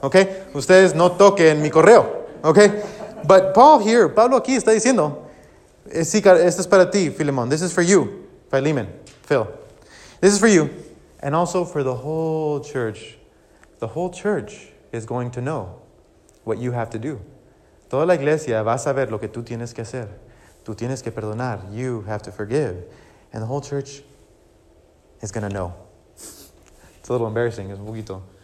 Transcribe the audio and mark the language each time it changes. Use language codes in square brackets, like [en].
[es] Okay, ustedes no toquen mi correo. Okay, but Pablo aquí está diciendo, sí, esto es para ti, Filemón. [en] This is for you, Philemon, Phil. This is for you, and also for the whole church. The whole church is going to know what you have to do. [es] Toda la iglesia va a saber lo que tú tienes que hacer. Tú tienes que perdonar. [en] You have to forgive. And the whole church is going to know. It's a little embarrassing. [es] Es un poquito.